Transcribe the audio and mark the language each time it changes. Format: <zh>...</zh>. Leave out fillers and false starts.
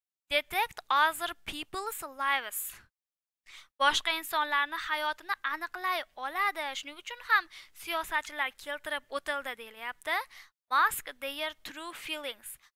<en>Detect other people's lives.</en> <uz>Boshqa insonlarning hayotini aniqlay oladi. Shuning uchun ham siyosatchilar keltirib o'tildi, deyilyapti.</uz> <en>Mask their true feelings.</en>